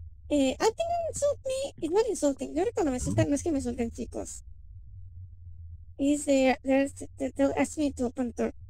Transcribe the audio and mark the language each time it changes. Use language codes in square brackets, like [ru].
[en] I think you insult me, it's not insulting. [es] Yo creo que no me insultan, no es que me insulten, chicos. [en] Is there, they'll ask me to open the door.